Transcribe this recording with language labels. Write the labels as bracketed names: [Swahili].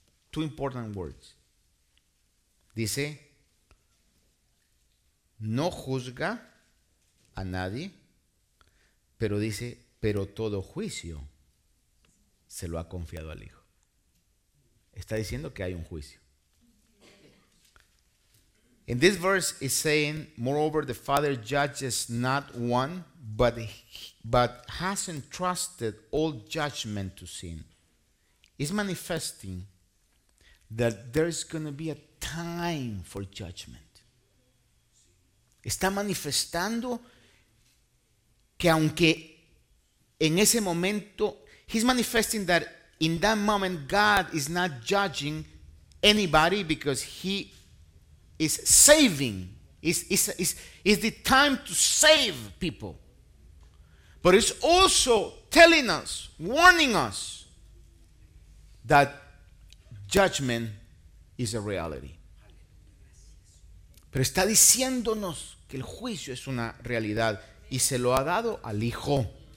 [English] Two important words. [Spanish] Dice, no juzga a nadie, pero dice, pero todo juicio se lo ha confiado al Hijo. Está diciendo que hay un juicio. [English] In this verse is saying, moreover, the Father judges not one, but has entrusted all judgment to sin. It's manifesting that there's going to be a time for judgment. [Spanish] Está manifestando que aunque en ese momento, [English] he's manifesting that in that moment God is not judging anybody, because he is saving. It's the time to save people. But it's also telling us, warning us, that judgment is a reality. [Spanish] Pero está diciéndonos que el juicio es una realidad y se lo ha dado al Hijo.